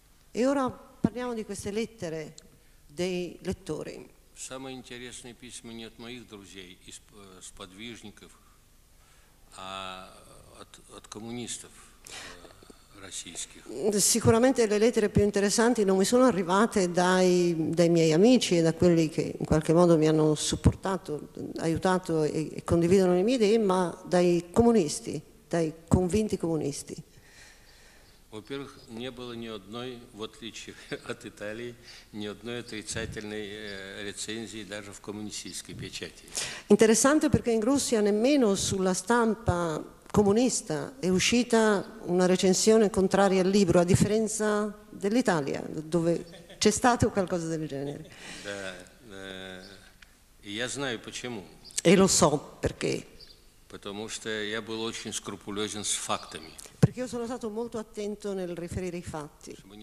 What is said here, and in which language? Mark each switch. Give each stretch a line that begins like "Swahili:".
Italian: E ora parliamo di queste lettere dei lettori.
Russian: Самые интересные письма не от моих друзей, из сподвижников, а от коммунистов российских.
Italian: Sicuramente le lettere più interessanti non mi sono arrivate dai miei amici e da quelli che in qualche modo mi hanno supportato, aiutato e condividono le mie idee, ma dai comunisti, dai convinti comunisti.
Russian: Во-первых, не было ни одной, в отличие от Италии, ни одной отрицательной рецензии даже в коммунистической печати.
Italian: Interessante perché in Russia nemmeno sulla stampa comunista è uscita una recensione contraria al libro, a differenza dell'Italia, dove c'è stato qualcosa del genere.
Russian: Да, я знаю почему.
Italian: E lo so perché.
Russian: Потому что я был очень скрупулезен с фактами.
Italian: Perché io sono stato molto attento nel riferire i fatti.